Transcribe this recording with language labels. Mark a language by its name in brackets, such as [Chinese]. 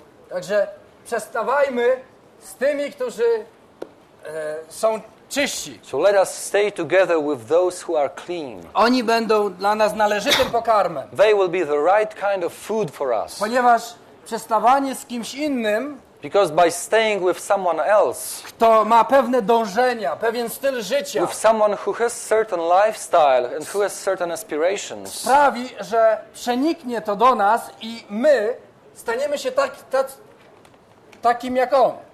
[Polish] Także przestawajmy z tymi, którzy są czyści. [English] So let us stay together with those who are clean. [Polish] Oni będą dla nas należytym pokarmem. [English] They will be the right kind of food for us. [Polish] Ponieważ przestawanie z kimś innym [English] Because by staying with someone else, [Polish] kto ma pewne dążenia, pewien styl życia, [English] with someone who has certain lifestyle and who has certain aspirations, [Polish] sprawi, że przeniknie to do nas i my staniemy się takim jak on.